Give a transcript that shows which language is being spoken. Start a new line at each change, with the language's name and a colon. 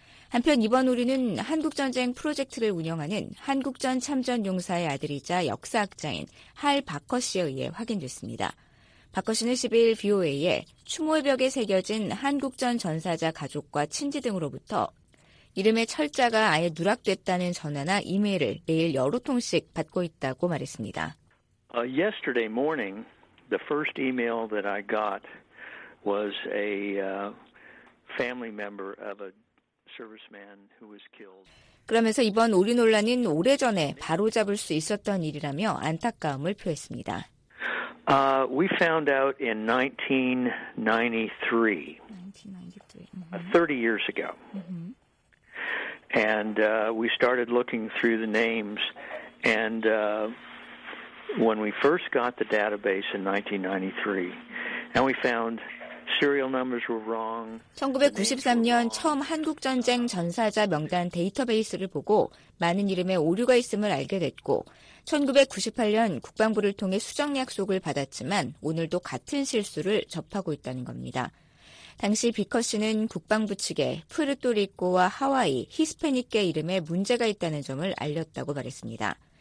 Korean: 한편 이번 오류는 한국전쟁 프로젝트를 운영하는 한국전 참전용사의 아들이자 역사학자인 할 바커 씨에 의해 확인됐습니다. 바커 씨는 11일 VOA에 추모회벽에 새겨진 한국전 전사자 가족과 친지 등으로부터 이름의 철자가 아예 누락됐다는 전화나 이메일을 매일 여러 통씩 받고 있다고 말했습니다.
English: Yesterday morning, the first email that I got was a family member of a serviceman who was killed.
Korean: 그러면서 이번 오류 논란은 오래전에 바로잡을 수 있었던 일이라며 안타까움을 표했습니다.
English: We found out in 1993, 30 years ago. And we started looking through the names, and when we first got the database in 1993, and we found serial numbers were wrong.
Korean: 1993년 처음 한국 전쟁 전사자 명단 데이터베이스를 보고 많은 이름에 오류가 있음을 알게 됐고, 1998년 국방부를 통해 수정 약속을 받았지만 오늘도 같은 실수를 접하고 있다는 겁니다. 당시 비커 씨는 국방부 측에 푸르토리코와 하와이, 히스패닉계 이름에 문제가 있다는 점을 알렸다고 말했습니다.